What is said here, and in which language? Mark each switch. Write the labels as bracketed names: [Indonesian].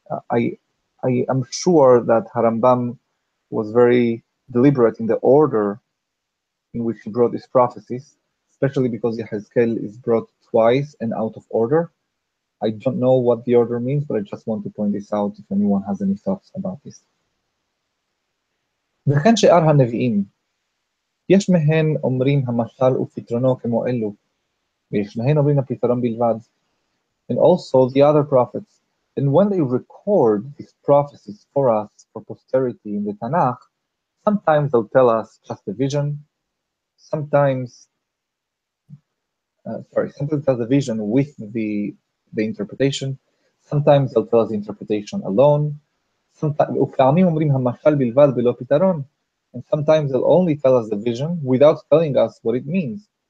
[English] I am sure that Harambam was very deliberate in the order in which he brought these prophecies, especially because Yehezkel is brought twice and out of order. I don't know what the order means, but I just want to point this out if anyone has any thoughts about this. [Hebrew] וכן שאר הנביאים, יש מהן אומרים המשל ופתרונו כמו אלו, ויש מהן אומרים הפתרון בלבד, [English] and also the other prophets. And when they record these prophecies for us, for posterity in the Tanakh, sometimes they'll tell us just a vision, sometimes tell the vision with the interpretation, sometimes they'll tell us the interpretation alone, [Hebrew] ופעמים אומרים המשל בלבד ולא פתרון, [English] and sometimes they'll only tell us the vision without telling us what it means.